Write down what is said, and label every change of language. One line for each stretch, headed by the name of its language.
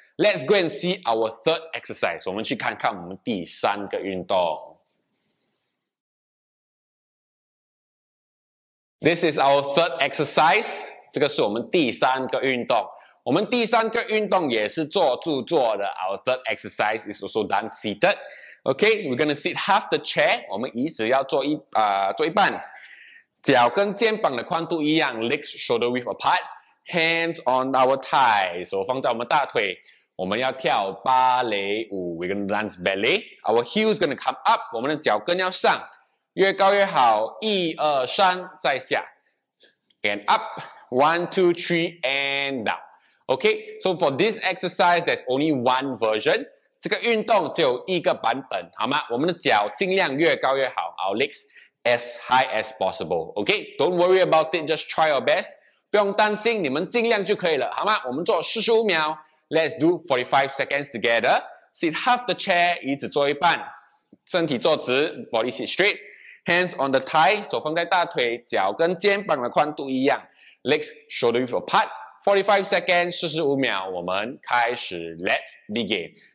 English: Let's go and see our third exercise.
Chinese: 我们去看看我们第三个运动.
English: This is our third exercise.
Chinese: 这个是我们第三个运动.我们第三个运动也是坐住坐的.
English: Our third exercise is also done seated. Okay, we're going to sit half the chair.
Chinese: 我们椅子要坐一半.脚跟肩膀的宽度一样,
English: legs shoulder width apart, hands on our thighs,
Chinese: 手放在我们大腿, 我们要跳芭蕾舞,
English: we're going to dance ballet, our heels going to come up,
Chinese: 我们的脚跟要上, 越高越好, 一, 二, 三, 再下,
English: and up, 1, 2, 3, and down. Okay, so for this exercise, there's only one version,
Chinese: 这个运动只有一个版本, 好吗? 我们的脚尽量越高越好,
English: our legs, as high as possible, okay? Don't worry about it, just try your best.
Chinese: 不用担心, 你们尽量就可以了, 好吗? 我们做45秒,
English: let's do 45 seconds together. Sit half the chair,
Chinese: 椅子坐一半, 身体坐直,
English: body sit straight, hands on the thigh,
Chinese: 手放在大腿, 脚跟肩膀的宽度一样,
English: legs shoulder width apart, 45 seconds, 45秒,
Chinese: 我们开始,
English: let's begin.